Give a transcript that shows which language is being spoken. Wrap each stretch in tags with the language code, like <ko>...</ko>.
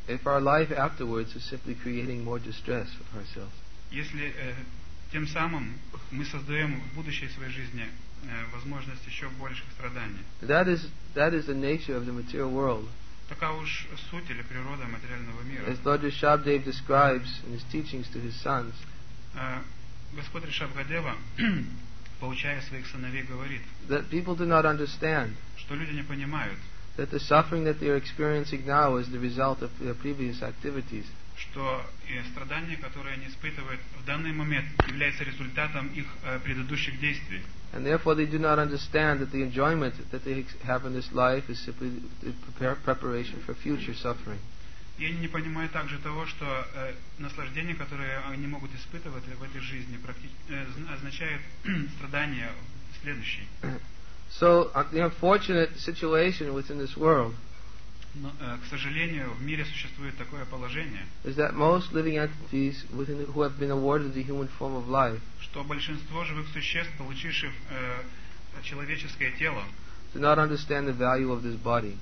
<en>If our life afterwards is simply creating more distress for ourselves.</en> <ru>Если тем самым мы создаем в будущей своей жизни возможность еще больших страданий.</ru> <en>That is the nature of the material world.</en> <ru>Такова уж суть или природа материального мира.</ru> <en>As Lord Rishabhadev describes in his teachings to his sons.</en> <ru>Господь Ришабхадева, поучая своих сыновей, говорит,</ru> <en>that people do not understand,</en> <ru>что люди не понимают,</ru> <en>that the suffering that they are experiencing now is the result of their previous activities.</en> <ru>Что и страдания, которые они испытывают в данный момент, являются результатом их предыдущих действий.</ru> <en>And therefore they do not understand that the enjoyment that they have in this life is simply the preparation for future suffering.</en> <ru>И они не понимают также того, что наслаждение, которое они могут испытывать в этой жизни, означает страдания в следующей.</ru> <en>So the unfortunate situation within this world.</en> <ru>Но, к сожалению, в мире существует такое положение,</ru> <en>is that most living entities within who have been awarded the human form of life,</en> <ru>что большинство живых существ, получивших человеческое тело,</ru> <en>do not understand the value of this body,</en>